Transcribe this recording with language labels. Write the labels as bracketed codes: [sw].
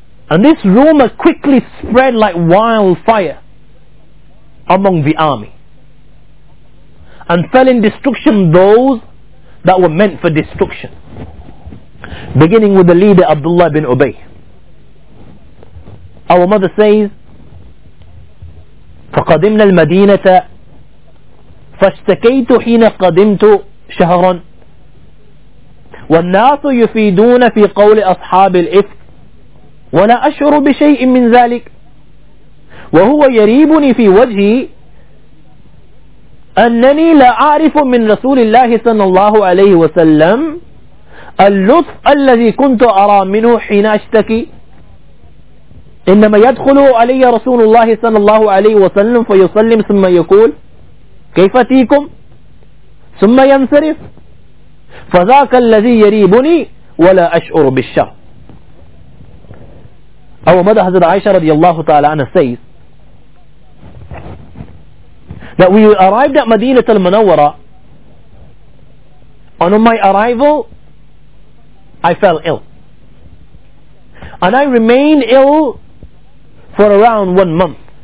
[en] And this rumor quickly spread like wildfire among the army and fell in destruction those that were meant for destruction, beginning with the leader Abdullah bin Ubay. Our mother says, [ar] فقدمنا المدينة فاشتكيت حين قدمت شهرا والناس يفيدون في قول أصحاب الإفك ولا أشعر بشيء من ذلك وهو يريبني في وجهي أنني لا أعرف من رسول الله صلى الله عليه وسلم اللطف الذي كنت أرى منه حين أشتكي إنما يدخل علي رسول الله صلى الله عليه وسلم فيسلم ثم يقول كيف أتيكم ثم ينصرف فذاك الذي يريبني ولا أشعر بالشر. [en] أو ماذا حضرت عائشة رضي الله تعالى عنها says that we arrived at مدينة المنورة, and on my arrival I fell ill, and I remained ill for around 1 month.